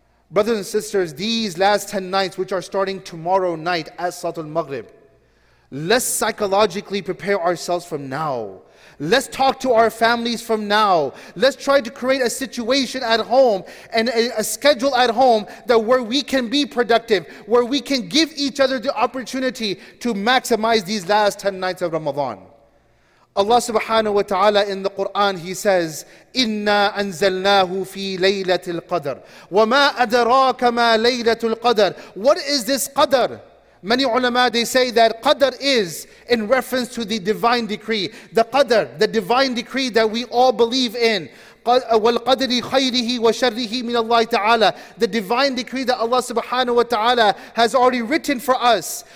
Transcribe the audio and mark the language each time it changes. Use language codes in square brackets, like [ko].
[en] Brothers and sisters, these last 10 nights, which are starting tomorrow night at Salatul Maghrib, let's psychologically prepare ourselves from now. Let's talk to our families from now. Let's try to create a situation at home and a schedule at home that where we can be productive, where we can give each other the opportunity to maximize these last 10 nights of Ramadan. Allah subhanahu wa ta'ala in the Quran, He says, [ar] إِنَّا أَنزَلْنَاهُ فِي لَيْلَةِ الْقَدْرِ وَمَا أَدْرَاكَ مَا لَيْلَةُ الْقَدْرِ. [en] What is this qadr? Many ulama, they say that qadr is in reference to the divine decree. The qadr, the divine decree that we all believe in. [ar] وَالْقَدْرِ خَيْرِهِ وَشَرِّهِ مِنَ اللَّهِ تَعَالَى. [en] The divine decree that Allah subhanahu wa ta'ala has already written for us.